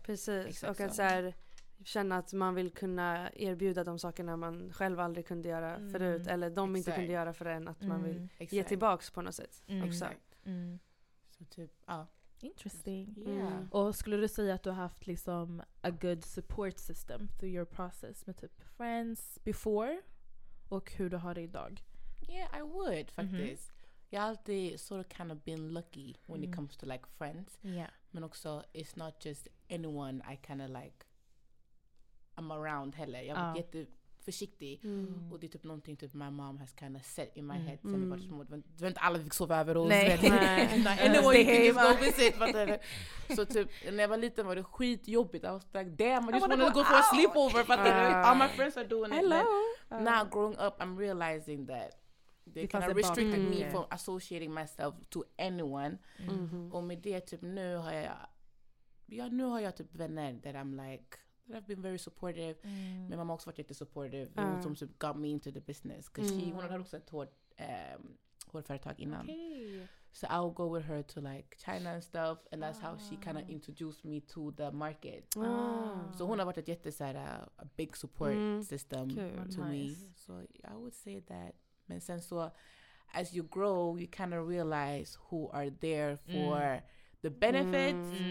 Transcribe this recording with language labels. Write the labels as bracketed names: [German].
[Swedish] Precis, exakt. Och att så här, känna att man vill kunna erbjuda de sakerna man själv aldrig kunde göra förut, eller de inte kunde göra för en, att man vill ge tillbaks på något sätt. Också. Så typ, ja. [English] Interesting. Yeah. [Swedish] Och skulle du säga att du har haft liksom [English] a good support system through your process [Swedish] med typ friends before och hur du har det idag? [English] Yeah, I would faktiskt. [Swedish] Jag har alltid [English] sort of kind of been lucky when it comes to like friends. Yeah. [Swedish] Men också, [English] it's not just anyone I kind of like I'm around heller. [Swedish] Jag har varit jätteförsiktig. Och det är typ någonting typ [English] my mom has kind of set in my head. [Swedish] Sen var det små, du vet inte alla fick sova över oss. Nej. [English] Anyway, you can just go visit. [Swedish] Så typ, när jag var liten var det skitjobbigt. [English] I was like, damn, I just wanted to go for a sleepover. All my friends are doing hello. It. Now growing up, I'm realizing that they kind of restricted me from associating myself to anyone. [Swedish] Och med det typ nu har jag, ja nu har jag typ vänner [English] that I'm like, that I've been very supportive. [Swedish] Min mamma också varit jättesupportive. Som typ [English] got me into the business. [Swedish] Hon har också ett hårföretag innan. [English] Okay. So I'll go with her to like China and stuff. And that's how she kind of introduced me to the market. So [Swedish] hon har varit ett jättesåhär, [English] a big support system to me. So I would say that. [Swedish] Men sen så, [English] as you grow, you kind of realize who are there for the benefits.